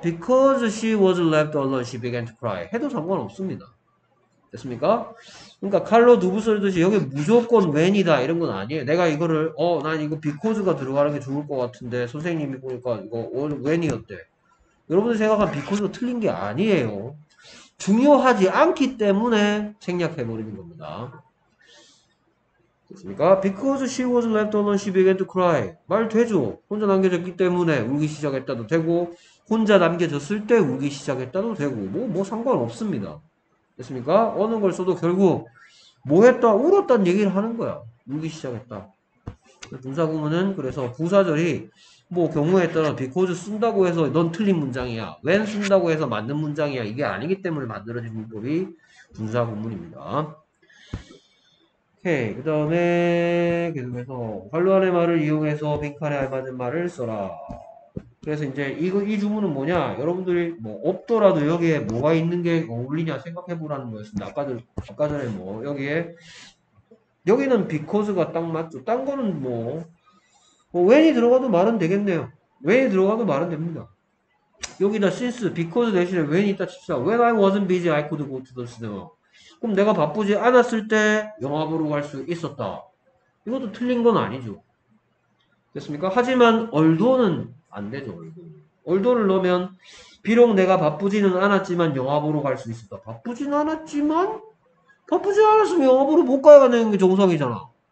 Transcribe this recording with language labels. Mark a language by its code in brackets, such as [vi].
[en] because she was left alone, she began to cry. [ko] 해도 상관없습니다. 됐습니까? 그러니까 칼로 누구 썰듯이 여기 무조건 when이다 이런 건 아니에요. 내가 이거를 난 이거 because가 들어가는 게 좋을 것 같은데 선생님이 보니까 이거 when이었대. 여러분들 생각한 because가 틀린 게 아니에요. 중요하지 않기 때문에 생략해 버리는 겁니다. 됐습니까? [en] Because she was left alone, she began to cry. [ko] 말 되죠? 혼자 남겨졌기 때문에 울기 시작했다도 되고, 혼자 남겨졌을 때 울기 시작했다도 되고, 뭐 상관없습니다. 됐습니까? 어느 걸 써도 결국, 뭐 했다? 울었다는 얘기를 하는 거야. 울기 시작했다. 분사구문은 그래서 부사절이 뭐 경우에 따라 because 쓴다고 해서 넌 틀린 문장이야. when 쓴다고 해서 맞는 문장이야. 이게 아니기 때문에 만들어진 문법이 분사구문입니다. 오케이. 그 다음에 계속해서 활로한의 말을 이용해서 빈칸에 알맞은 말을 써라. 그래서 이제 이거 이 주문은 뭐냐? 여러분들이 뭐 없더라도 여기에 뭐가 있는 게 어울리냐 생각해보라는 거였습니다. 아까 전에 뭐 여기에 여기는 because가 딱 맞죠. 딴 거는 뭐 when이 들어가도 말은 되겠네요. when이 들어가도 말은 됩니다. 여기다 since, because 대신에 when이 있다 칩시다. [en] When I wasn't busy, I could go to the cinema. [ko] 그럼 내가 바쁘지 않았을 때 영화 보러 갈수 있었다. 이것도 틀린 건 아니죠. 됐습니까? 하지만 although는 안 되죠. although를 넣으면 비록 내가 바쁘지는 않았지만 영화 보러 갈수 있었다. 바쁘진 않았지만 바쁘지 않았으면 영업으로 못 가야 되는 게 정상이잖아.